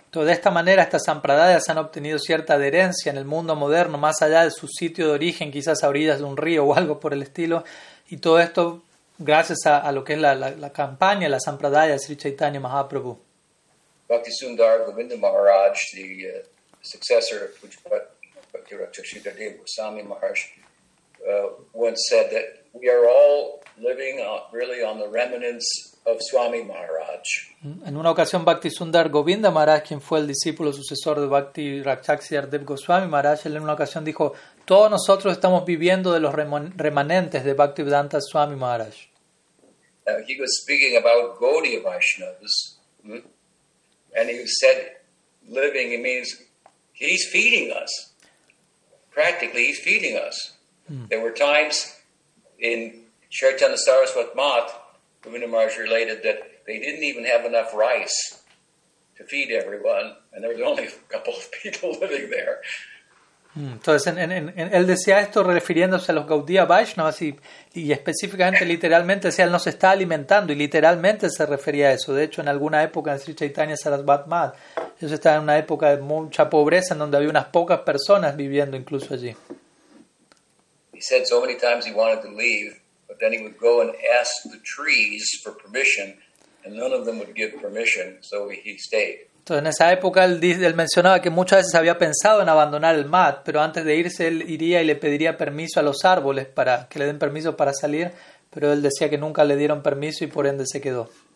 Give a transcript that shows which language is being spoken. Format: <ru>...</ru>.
<es>Entonces, de esta manera, estas sampradayas han obtenido cierta adherencia en el mundo moderno, más allá de su sitio de origen, quizás a orillas de un río o algo por el estilo. Y todo esto gracias a lo que es la campaña, la sampradaya Sri Chaitanya Mahaprabhu.</es> <en>Bhakti Sundar Govinda Maharaj, the successor of Bhakti Rakshita Dev Goswami Maharaj, once said that we are all living really on the remnants of Swami Maharaj.</en> <es>En una ocasión, Bhakti Sundar Govinda Maharaj, quien fue el discípulo sucesor de Bhakti Rakshita Dev Goswami Maharaj, él en una ocasión dijo: todos nosotros estamos viviendo de los remanentes de Bhaktivedanta Swami Maharaj.</es> <en>He was speaking about Gaudiya Vaishnavas, and he said, living means he's feeding us. Practically, he's feeding us. There were times in Chaitanya Saraswat Math, Govinda Maharaj related that they didn't even have enough rice to feed everyone, and there was only a couple of people living there.</en> <es>Entonces, en él decía esto refiriéndose a los Gaudiya Vaishnavas y específicamente, literalmente, decía, él nos está alimentando y literalmente se refería a eso. De hecho, en alguna época en Sri Chaitanya Sarasvat Math, ellos estaban en una época de mucha pobreza en donde había unas pocas personas viviendo incluso allí.</es> <en>He said so many times he wanted to leave, but then he would go and ask the trees for permission and none of them would give permission, so he stayed.</en> <es>Entonces, en esa época él mencionaba que muchas veces había pensado en abandonar el mat, pero antes de irse él iría y le pediría permiso a los árboles para que le den permiso para salir, pero él decía que nunca le dieron permiso y por ende se quedó.</es>